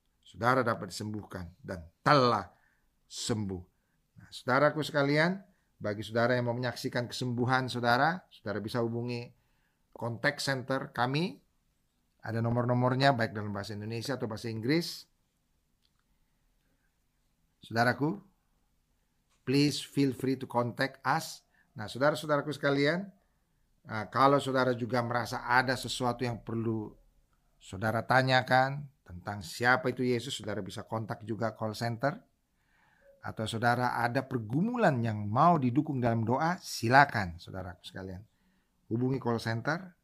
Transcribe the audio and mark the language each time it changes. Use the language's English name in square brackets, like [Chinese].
[Indonesian] Saudara dapat disembuhkan dan telah sembuh. Nah, saudaraku sekalian, bagi saudara yang mau menyaksikan kesembuhan saudara, saudara bisa hubungi contact center kami. Ada nomor-nomornya baik dalam bahasa Indonesia atau bahasa Inggris. [English] Saudaraku, please feel free to contact us. [Indonesian] Nah, saudara-saudaraku sekalian, kalau saudara juga merasa ada sesuatu yang perlu saudara tanyakan tentang siapa itu Yesus, saudara bisa kontak juga call center. Atau saudara ada pergumulan yang mau didukung dalam doa, silakan saudaraku sekalian hubungi call center.